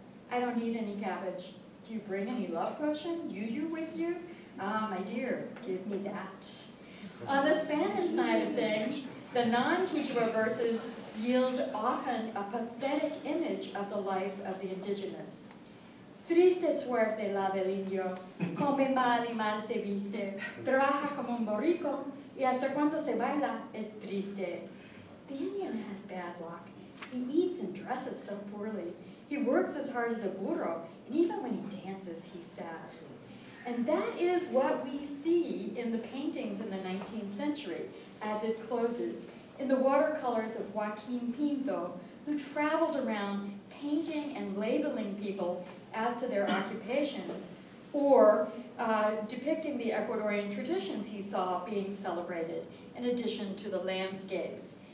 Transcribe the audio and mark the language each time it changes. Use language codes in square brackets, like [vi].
[en] I don't need any cabbage. Do you bring any love potion, yuyu, with you? Ah, my dear, give me that. On the Spanish side of things, the non-Quechua verses yield often a pathetic image of the life of the indigenous. [es] Triste suerte la del indio, come mal y mal se viste, trabaja como un borrico, y hasta cuando se baila es triste. [en] The Indian has bad luck. He eats and dresses so poorly. He works as hard as a burro, and even when he dances, he's sad. And that is what we see in the paintings in the 19th century as it closes, in the watercolors of Joaquin Pinto, who traveled around painting and labeling people as to their occupations, or depicting the Ecuadorian traditions he saw being celebrated, in addition to the landscapes.